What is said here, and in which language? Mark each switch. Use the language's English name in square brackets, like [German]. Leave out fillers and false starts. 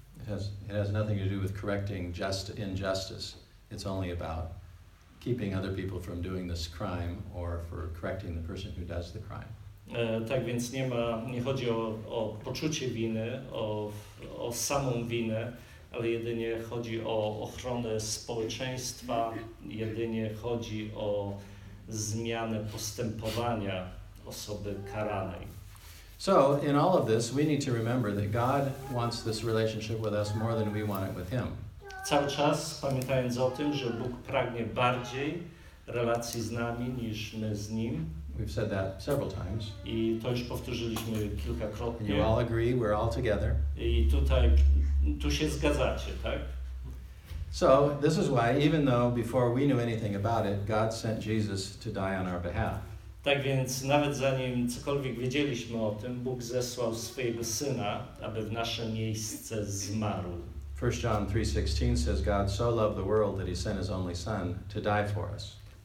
[English] It has nothing to do with correcting injustice. It's only about keeping other people from doing this crime or for correcting the person who does the crime. [Polish] Tak więc nie chodzi o poczucie winy, o samą winę, ale jedynie chodzi o ochronę społeczeństwa, jedynie chodzi o zmianę postępowania osoby karanej. [English] So, in all of this, we need to remember that God wants this relationship with us more than we want it with Him. [Polish] Cały czas pamiętając o tym, że Bóg pragnie bardziej relacji z nami niż my z Nim. [English] We've said that several times. [Polish] I to już powtórzyliśmy kilkakrotnie. [English] And you all agree, we're all together. [Polish] I tutaj, tu się zgadzacie, tak? [English] So, this is why, even though before we knew anything about it, God sent Jesus to die on our behalf. [Polish] Tak więc, nawet zanim cokolwiek wiedzieliśmy o tym, Bóg zesłał swojego Syna, aby w nasze miejsce zmarł. [English] 1 John 3:16 says, God so loved the world that he sent his only Son to die for us.